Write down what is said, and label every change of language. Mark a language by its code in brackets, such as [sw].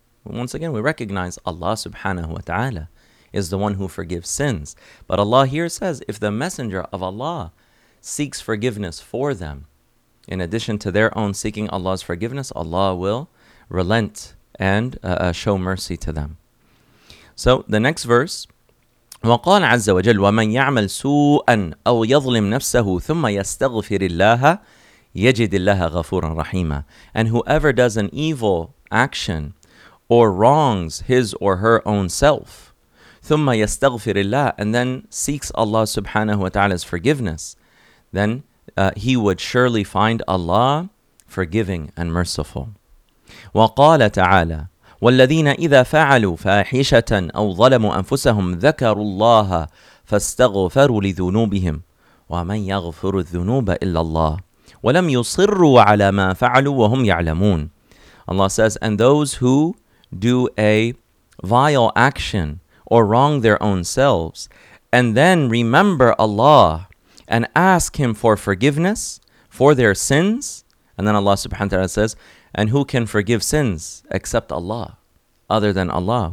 [en] Once again, we recognize Allah subhanahu wa ta'ala is the one who forgives sins. But Allah here says, if the Messenger of Allah seeks forgiveness for them, in addition to their own seeking Allah's forgiveness, Allah will relent and show mercy to them. So the next verse, [ar] وقال عز وجل ومن يعمل سوءا أو يظلم نفسه ثم يستغفر الله يجد الله غفورا رحيما. [en] And whoever does an evil action or wrongs his or her own self, [ar] ثم يستغفر الله, [en] and then seeks Allah subhanahu wa ta'ala's forgiveness, then he would surely find Allah forgiving and merciful. [ar] وقال تعالى والذين إذا فعلوا فاحشة أو ظلموا أنفسهم ذكروا الله فاستغفروا لذنوبهم ومن يغفر الذنوب إلا الله ولم يصروا على ما فعلوا وهم يعلمون. [en] Allah says, and those who do a vile action or wrong their own selves and then remember Allah and ask Him for forgiveness for their sins, and then Allah subhanahu wa ta'ala says, and who can forgive sins except Allah, other than Allah?